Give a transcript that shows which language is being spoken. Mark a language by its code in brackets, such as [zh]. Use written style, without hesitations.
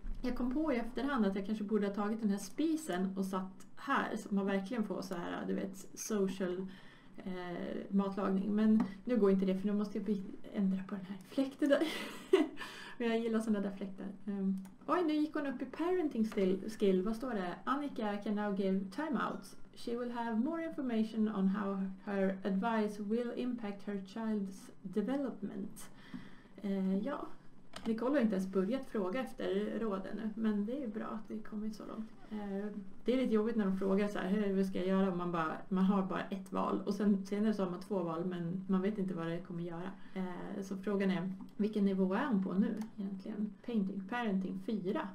[sv] Jag kom på i efterhand att jag kanske borde ha tagit den här spisen. Och satt här. Så man verkligen får så här, du vet, social matlagning. Men nu går inte det. För nu måste jag ändra på den här fläkten där. Men jag gillar sådana där fläktar. Oj, nu gick hon upp i parenting skill. Vad står det? [en] Annika can now give timeouts. She will have more information on how her advice will impact her child's development. [sv] Ja, Nicole har inte ens börjat fråga efter råden, men det är ju bra att vi kommit så långt. Det är lite jobbigt när de frågar så här, hur ska jag göra om man har bara ett val. Och sen senare så har man två val, men man vet inte vad det kommer göra. Så frågan är, vilken nivå är hon på nu egentligen? Painting, parenting 4.